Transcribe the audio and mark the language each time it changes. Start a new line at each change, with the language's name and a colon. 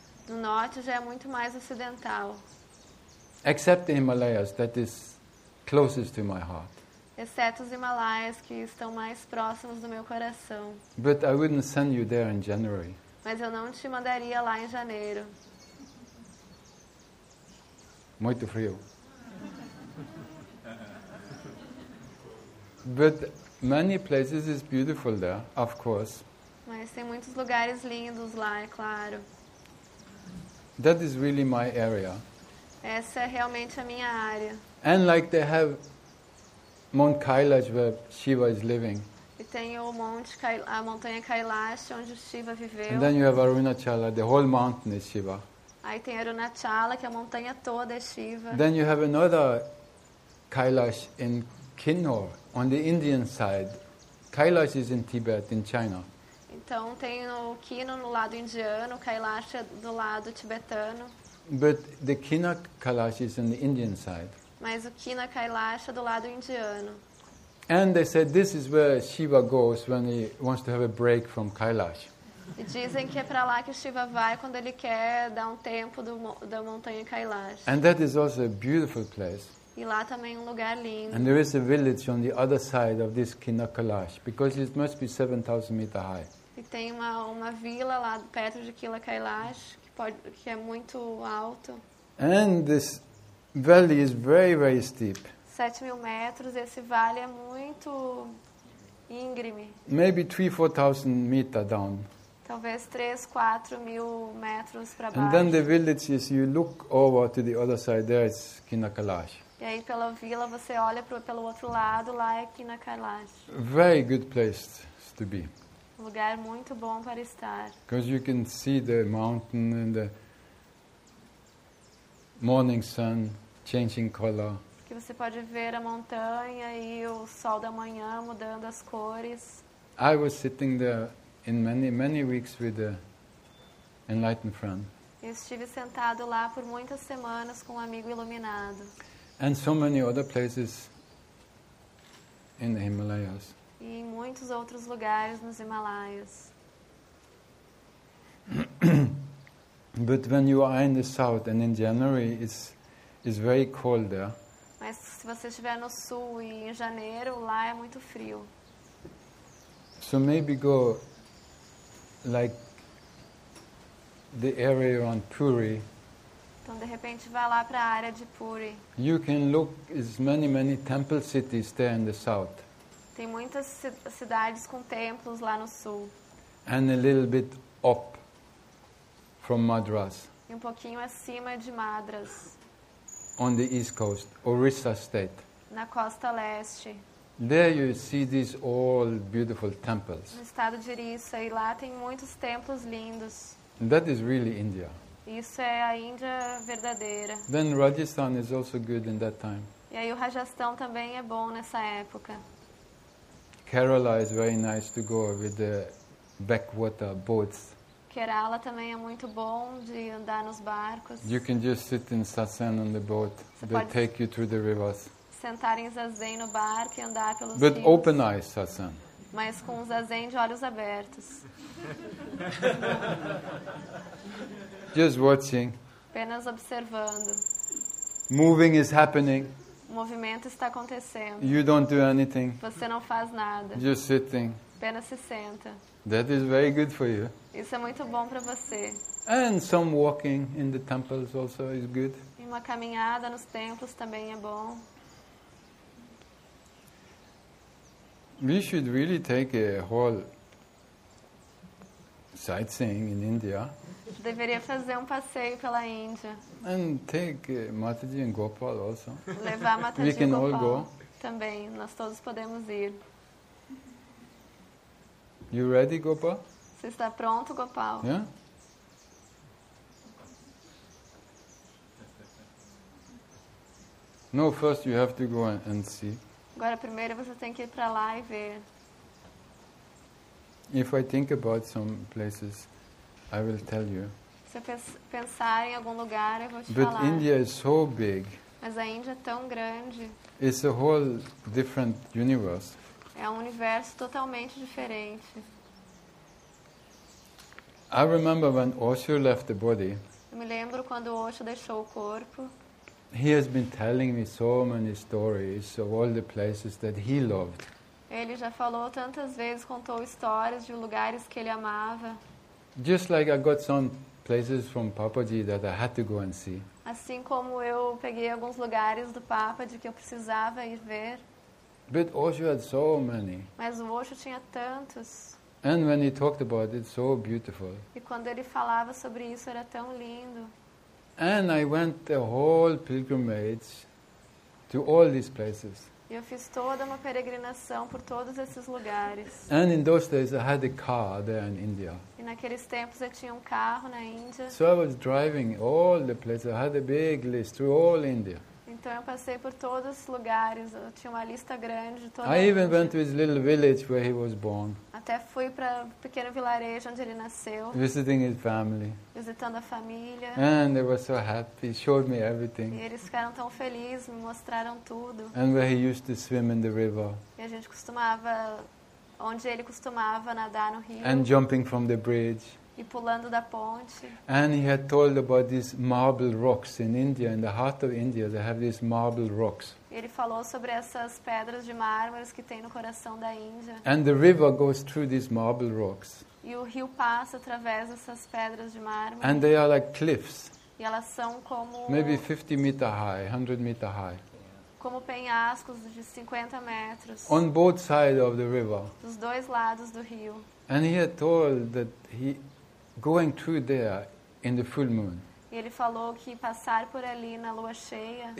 Portuguese: No norte já é muito mais ocidental.
English: Except the Himalayas, that is closest to my heart.
Portuguese: Exceto os Himalaias, que estão mais próximos do meu coração.
English: But I wouldn't send you there in January.
Portuguese: Mas eu não te mandaria lá em janeiro. Muito frio.
English: But many places is beautiful there, of course.
Portuguese: Mas tem muitos lugares lindos lá, é claro.
English: That is really my area.
Portuguese: Essa é realmente a minha área.
English: And like they have Mount Kailash, where Shiva is living.
Portuguese: E tem o monte a montanha Kailash onde Shiva viveu.
English: And then you have Arunachala, the whole mountain is Shiva.
Portuguese: Aí tem Arunachala, que a montanha toda é Shiva.
English: Then you have another Kailash in Kinnor, on the Indian side. Kailash is in Tibet, in China.
Portuguese: Então tem o Kino no lado indiano, Kailash é do lado tibetano.
English: But the Kina Kailash is on the Indian side.
Portuguese: Mas o Kina Kailash é do lado indiano.
English: And they said this is where Shiva goes when he wants to have a break from Kailash.
Portuguese: E dizem que é para lá que Shiva vai quando ele quer dar um tempo da montanha Kailash.
English: And that is also a beautiful place.
Portuguese: E lá também é um lugar lindo.
English: And there is a village on the other side of this Kina Kailash because it must be 7,000 meter high.
Portuguese: E tem uma vila lá perto de Kina Kailash que é muito alto.
English: And this valley is very, very steep.
Portuguese: 7,000 metros, esse vale é muito íngreme.
English: Maybe 3,000-4,000 meter down.
Portuguese: Talvez 3,000-4,000 metros para baixo.
English: And then the village is, you look over to the other side, there is Kina Kailash.
Portuguese: E aí pela vila você olha pelo outro lado, lá é Kina Kailash.
English: Very good place to be.
Portuguese: Um lugar muito bom para estar.
English: Because you can see the mountain and the morning sun changing color.
Portuguese: Que você pode ver a montanha e o sol da manhã mudando as cores.
English: I was sitting there in many weeks with the enlightened friend.
Portuguese: Eu estive sentado lá por muitas semanas com um amigo iluminado.
English: And so many other places in the Himalayas.
Portuguese: E em muitos outros lugares nos Himalaias.
English: But when you are in the south and in January it's very cold there.
Portuguese: Mas se você estiver no sul e em janeiro, lá é muito frio.
English: So maybe go like the area around Puri.
Portuguese: Então de repente vá lá para a área de Puri.
English: You can look as many temple cities there in the south.
Portuguese: Tem muitas cidades com templos lá no sul.
English: And a little bit up from Madras.
Portuguese: E um pouquinho acima de Madras.
English: On the east coast, Orissa state.
Portuguese: Na costa leste.
English: There you see these all beautiful temples.
Portuguese: No estado de Orissa, e lá tem muitos templos lindos.
English: That is really India.
Portuguese: Isso é a Índia verdadeira.
English: Then Rajasthan is also good in that time.
Portuguese: E aí o Rajasthan também é bom nessa época.
English: Kerala is very nice to go with the backwater boats.
Portuguese: Kerala também é muito bom de andar nos barcos.
English: You can just sit in Sasen on the boat. They take you through the rivers.
Portuguese: Sentar em Zazen no barco e andar pelos rios.
English: But open eyes, Sasen.
Portuguese: Mas com Zazen de olhos abertos.
English: Just watching.
Portuguese: Apenas observando.
English: Moving is happening.
Portuguese: O movimento está acontecendo.
English: You don't do anything.
Portuguese: Você não faz nada.
English: Just sitting.
Portuguese: Apenas se senta.
English: That is very good for you.
Portuguese: Isso é muito bom para você.
English: And some walking in the temples also is good.
Portuguese: E uma caminhada nos templos também é bom.
English: We should really take a whole sightseeing in India.
Portuguese: Deveria fazer um passeio pela Índia.
English: And take Mataji and Gopal also.
Portuguese: Levar Mataji e Gopal.
English: We can all go.
Portuguese: Também, nós todos podemos ir.
English: You ready, Gopal?
Portuguese: Você está pronto, Gopal?
English: Yeah? No, first you have to go and see.
Portuguese: Agora, primeiro você tem que ir para lá e ver.
English: If I think about some places, I will tell you.
Portuguese: Se eu pensar em algum lugar, eu vou te
English: But
Portuguese: falar.
English: But India is so big.
Portuguese: Mas a Índia é tão grande.
English: It's a whole different universe.
Portuguese: É um universo totalmente diferente.
English: I remember when Osho left the body.
Portuguese: Eu me lembro quando Osho deixou o corpo.
English: He has been telling me so many stories of all the places that he loved.
Portuguese: Ele já falou tantas vezes, contou histórias de lugares que ele amava.
English: Just like I got some places from Papaji that I had to go and see.
Portuguese: Assim como eu peguei alguns lugares do Papaji que eu precisava ir ver.
English: But Osho had so many.
Portuguese: Mas o Osho tinha tantos.
English: And when he talked about it, so beautiful.
Portuguese: E quando ele falava sobre isso, era tão lindo.
English: And I went the whole pilgrimage to all these places.
Portuguese: E eu fiz toda uma peregrinação por todos esses lugares.
English: And in those days I had a car there in India.
Portuguese: E naqueles tempos eu tinha um carro na Índia.
English: So I was driving all the places. I had a big list through all India.
Portuguese: Então eu passei por todos os lugares. Eu tinha uma lista grande de toda a Índia.
English: I even went to his little village where he was born.
Portuguese: Até fui para o pequeno vilarejo onde ele nasceu.
English: Visiting his family.
Portuguese: Visitando a família.
English: And they were so happy. Showed me everything.
Portuguese: E eles ficaram tão felizes, me mostraram tudo.
English: And where he used to swim in the river.
Portuguese: E a gente costumava, onde ele costumava nadar no rio.
English: And jumping from the bridge.
Portuguese: E pulando da ponte.
English: And he had told about these marble rocks in India, in the heart of India, they have these marble rocks.
Portuguese: Ele falou sobre essas pedras de mármore que tem no coração da Índia.
English: And the river goes through these marble rocks.
Portuguese: E o rio passa através dessas pedras de mármore.
English: And they are like cliffs.
Portuguese: E elas são como
English: maybe 50 meter high, 100 meter high.
Portuguese: Como penhascos de 50 metros.
English: On both sides of the river.
Portuguese: Dos dois lados do rio.
English: And he had told that he going through there in the full moon.
Portuguese: Ele falou que passar por ali na lua cheia.